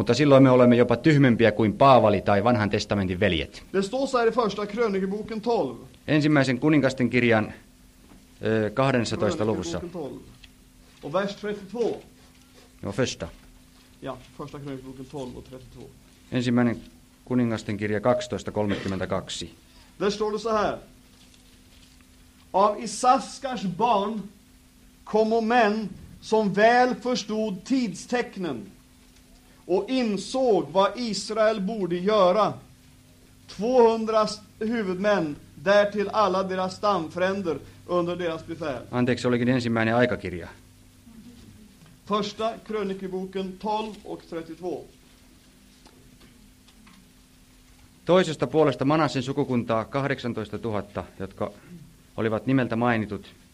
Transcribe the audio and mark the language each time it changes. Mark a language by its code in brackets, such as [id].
[fi] Mutta silloin me olemme jopa tyhmempiä kuin Paavali tai Vanhan testamentin veljet. [sv] Det står så här i första krönikeboken 12. [fi] Ensimmäisen kuningasten kirjan 12. luvussa. [sv] Och vers 32. No första. Ja, första krönikeboken 12 och 32. [fi] Ensimmäinen kuningasten kirja 12:32. [sv] Där står det så här. Av Issaskars barn kom män som väl förstod tidstecknen och insåg vad Israel borde göra. 200 huvudmän, därtill alla deras stamfränder under deras befäl. [fi] Anteeksi, olikin ensimmäinen aikakirja. [sv] Första krönikeboken 12 och 32. [fi] Toisesta puolesta Manassen sukukuntaa 18 000, jotka olivat nimeltä mainitut.